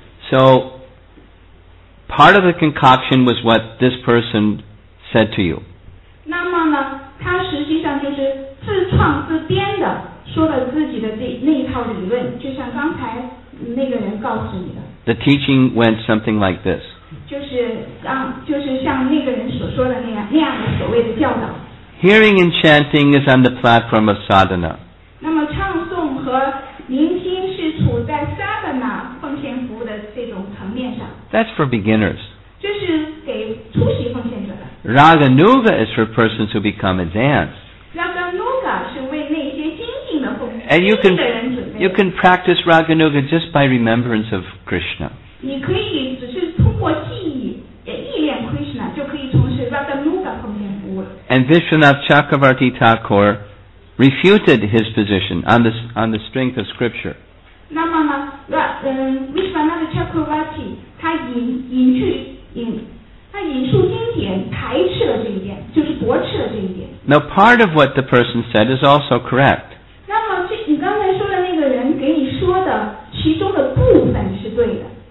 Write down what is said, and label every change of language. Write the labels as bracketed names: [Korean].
[English] So, part of the concoction was what this person said to you. [Chinese] 那么呢，他实际上就是自创自编的，说了自己的那一套理论，就像刚才那个人告诉你的。 [English] The teaching went something like this. [Chinese] 就是像那个人所说的那样的所谓的教导。 [English] Hearing and chanting is on the platform of sadhana. [Chinese] 那么唱诵和聆听是处在 sadhana 奉献服务的这种层面上。 [English] That's for beginners. [Chinese] 这是给初级奉献者的。 [English] Raganuga is for persons who become advanced. [Chinese] Raganuga 是为那些精进的奉献。 [English] And you can practice Raganuga just by remembrance of Krishna. [Chinese] 你可以只是通过意念 Krishna 就可以从事 Raganuga 奉献。 [English] And Vishwanath Chakravarti Thakur refuted his position on the strength of scripture. [Chinese] 那么呢 Vishwanath Chakravarti 他引述经典排斥了这一点，就是驳斥了这一点。 [English] Now part of what the person said is also correct. [Chinese] 那么这你刚才说的那个人给你说的其中的部分是对的。